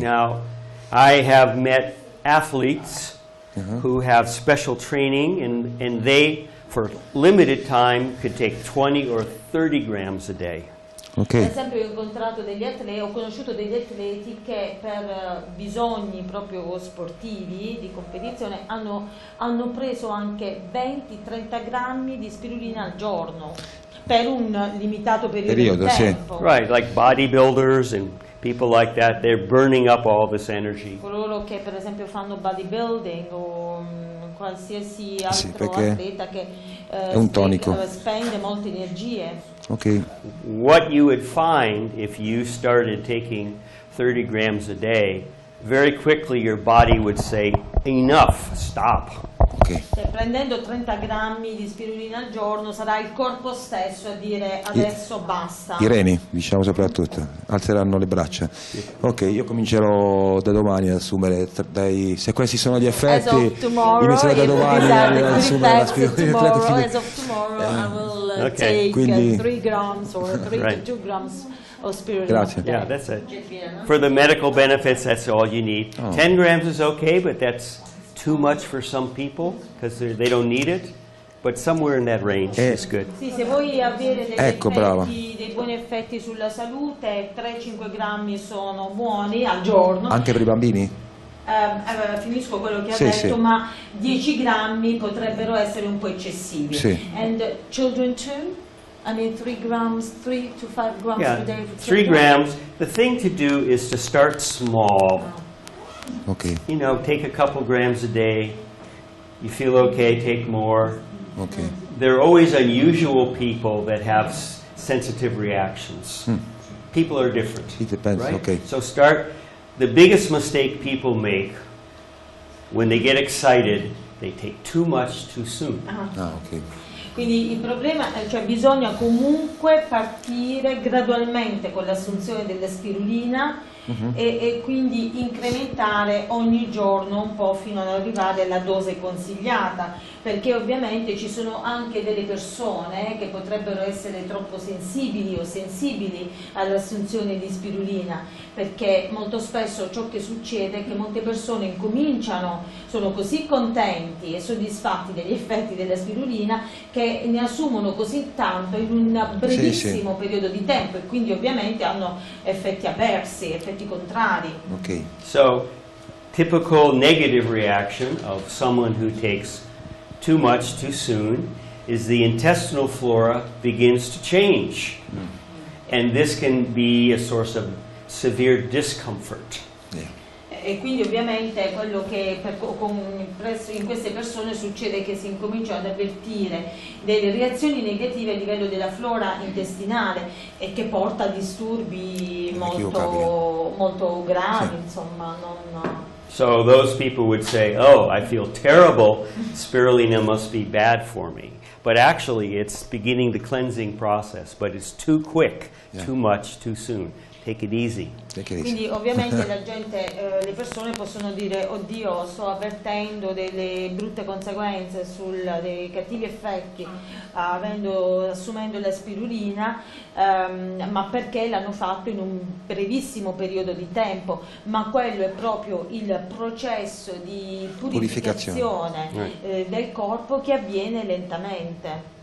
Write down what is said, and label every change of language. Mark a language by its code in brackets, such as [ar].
[en] Now, I have met athletes who have special training and they for limited time could take 20 or 30 grams a day. [it] Okay. Per esempio, ho incontrato degli atleti, ho conosciuto degli atleti che per bisogni proprio sportivi di competizione hanno preso anche 20-30 grammi di spirulina al giorno per un limitato periodo di tempo. Sì. [en] Right, like bodybuilders and people like that, they're burning up all this energy. [it] Coloro che per esempio fanno bodybuilding o qualsiasi altro atleta che è un tonico. Spende molte energie. [en] Okay. What you would find if you started taking 30 grams a day, very quickly your body would say enough, stop. Okay. [it] Se prendendo 30 grammi di spirulina al giorno sarà il corpo stesso a dire adesso basta. I reni, diciamo soprattutto, alzeranno le braccia. Ok, io comincerò da domani ad assumere, se questi sono gli effetti, inizierò da domani ad assumere la spirulina. [en] As of tomorrow, I will take 3 grams or 3 to 2 grams. [it] Grazie. [en] Yeah, that's it. For the medical benefits, that's all you need. Oh. 10 grams is okay, but that's too much for some people because they don't need it. But somewhere in that range is good. [it] Sì, se vuoi avere dei buoni effetti sulla salute, 3-5 grammi sono buoni al giorno. Anche per i bambini? Finisco quello che ha detto, ma 10 grammi potrebbero essere un po' eccessivi. Sì. [en] And children too? I mean 3 to 5 grams yeah, per day. For 3 grams. The thing to do is to start small. Okay. You know, take a couple grams a day. You feel okay, take more. Okay. There are always unusual people that have sensitive reactions. Hmm. People are different. It depends. Right? Okay. So start. The biggest mistake people make when they get excited, they take too much too soon. Uh-huh. Ah, okay. [it] Quindi il problema è, cioè bisogna comunque partire gradualmente con l'assunzione della spirulina e quindi incrementare ogni giorno un po' fino ad arrivare alla dose consigliata, perché ovviamente ci sono anche delle persone che potrebbero essere troppo sensibili o sensibili all'assunzione di spirulina, perché molto spesso ciò che succede è che molte persone incominciano, sono così contenti e soddisfatti degli effetti della spirulina che ne assumono così tanto in un brevissimo periodo di tempo e quindi ovviamente hanno effetti avversi, effetti contrari. [en] Okay. So typical negative reaction of someone who takes too much too soon is the intestinal flora begins to change. And this can be a source of severe discomfort. [it] E quindi ovviamente quello che in queste persone succede è che si incomincia ad avvertire delle reazioni negative a livello della flora intestinale e che porta a disturbi molto gravi, sì. Insomma, non... [en] So those people would say, oh, I feel terrible, spirulina must be bad for me. But actually it's beginning the cleansing process, but it's too quick, yeah. Too much, too soon. Take it easy. [it] Quindi ovviamente la gente, le persone possono dire oddio, sto avvertendo delle brutte conseguenze sul dei cattivi effetti assumendo la spirulina, ma perché l'hanno fatto in un brevissimo periodo di tempo, ma quello è proprio il processo di purificazione del corpo che avviene lentamente.